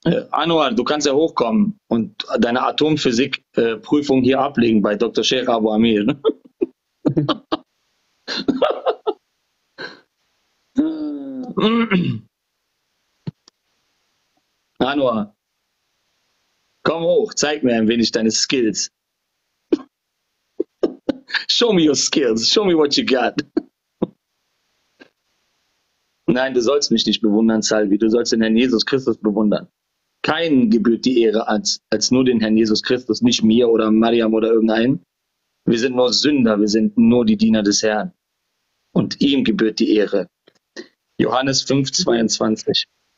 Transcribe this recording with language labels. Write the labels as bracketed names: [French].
[German] Anwar, du kannst ja hochkommen und deine Atomphysik-Prüfung hier ablegen bei Dr. Sheikh Abu Amir. Anwar, komm hoch, zeig mir ein wenig deine Skills. [English] Show me your skills, show me what you got. [German] Nein, du sollst mich nicht bewundern, Salvi, du sollst den Herrn Jesus Christus bewundern. Keinen gebührt die Ehre als nur den Herrn Jesus Christus, nicht mir oder Mariam oder irgendeinen. Wir sind nur Sünder, wir sind nur die Diener des Herrn. Und ihm gebührt die Ehre. Johannes 5, 22.